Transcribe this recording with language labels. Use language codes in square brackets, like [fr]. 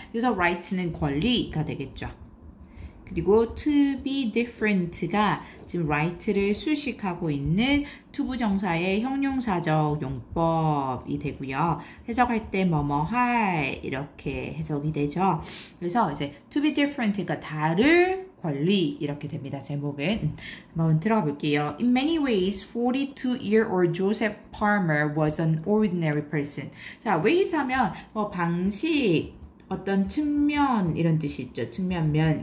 [ko] 그래서 right는 권리가 되겠죠. 그리고 to be different가 지금 right를 수식하고 있는 투부정사의 형용사적 용법이 되고요. 해석할 때 뭐뭐할 이렇게 해석이 되죠. 그래서 이제 to be different가 다를 권리 이렇게 됩니다. 제목은 한번 들어가 볼게요. [en] In many ways, 42-year-old Joseph Palmer was an ordinary person. [ko] 자, ways 하면 뭐 방식, 어떤 측면 이런 뜻이 있죠. 측면면.